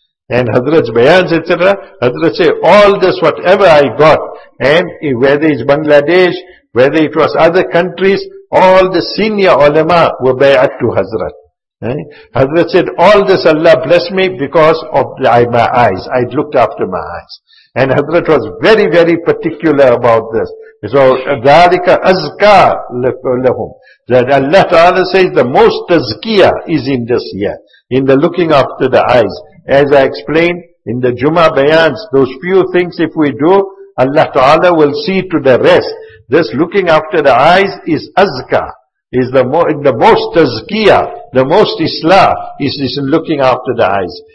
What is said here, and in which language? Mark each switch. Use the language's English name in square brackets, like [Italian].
[English] And Hazrat's bayans, etc., Hazrat say, all this, whatever I got, and whether it's Bangladesh, whether it was other countries, all the senior ulama were bayat to Hazrat. Hazrat said, all this Allah blessed me because of my eyes. I looked after my eyes. And Hazrat was very, very particular about this. [Arabic] So, ذَلِكَ أَزْكَى لَهُمْ. [English] That Allah Ta'ala says the most tazkiyah is in this year, in the looking after the eyes. As I explained in the Jummah Bayans, those few things if we do, Allah Ta'ala will see to the rest. This looking after the eyes is azka, is the most tazkiyah, the most islah is in looking after the eyes.